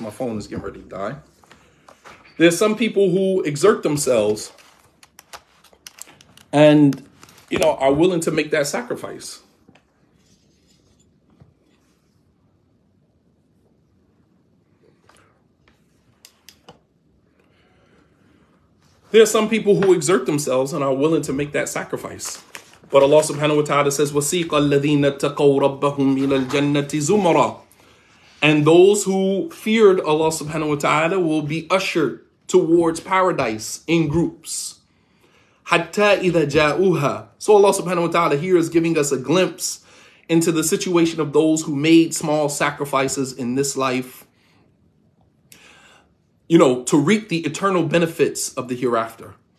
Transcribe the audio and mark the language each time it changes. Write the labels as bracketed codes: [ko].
[en] My phone is getting ready to die. There's some people who exert themselves and, you know, are willing to make that sacrifice. There are some people who exert themselves and are willing to make that sacrifice. But Allah subhanahu wa ta'ala says, [ar] وَسِيقَ الَّذِينَ اتَّقَوْ رَبَّهُمْ إِلَى الْجَنَّةِ زُمَرًا. [en] And those who feared Allah subhanahu wa ta'ala will be ushered towards paradise in groups. [ar] حَتَّى إِذَا جَاءُوهَا. [en] So Allah subhanahu wa ta'ala here is giving us a glimpse into the situation of those who made small sacrifices in this life, you know, to reap the eternal benefits of the hereafter.